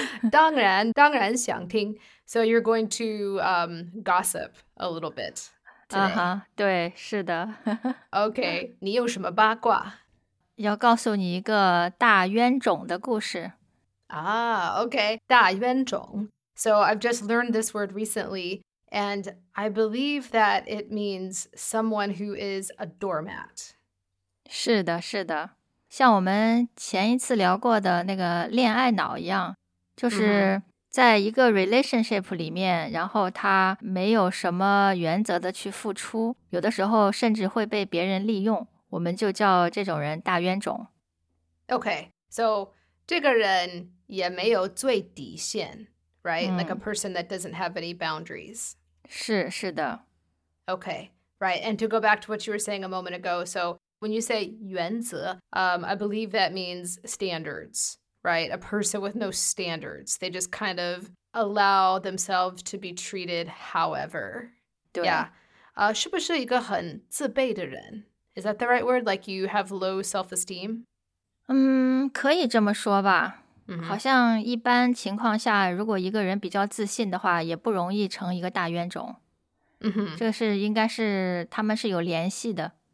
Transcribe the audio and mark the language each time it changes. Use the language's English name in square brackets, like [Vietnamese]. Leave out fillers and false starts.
[Chinese] 当然想听。 [English] So you're going to gossip a little bit. [Chinese] 啊哈，对，是的。 OK，你有什么八卦？要告诉你一个大冤种的故事。啊，OK，大冤种。 [English] So I've just learned this word recently, and I believe that it means someone who is a doormat. [Chinese] 是的，是的，像我们前一次聊过的那个恋爱脑一样， 就是在一个relationship里面， 然后他没有什么原则的去付出， 有的时候甚至会被别人利用， 我们就叫这种人大冤种。 [English] Okay, so [Chinese] 这个人也没有最底线， right? [English] Like a person that doesn't have any boundaries. [Chinese] 是的。 [English] Okay, right. And to go back to what you were saying a moment ago, so when you say 原则, I believe that means standards. Right, a person with no standards. They just kind of allow themselves to be treated however. [Chinese] 对。 [English] Yeah. [Chinese] 是不是一个很自卑的人? [English] Is that the right word? Like you have low self-esteem? [Chinese] 可以这么说吧。好像一般情况下, 如果一个人比较自信的话, 也不容易成一个大冤种。这是应该是他们是有联系的。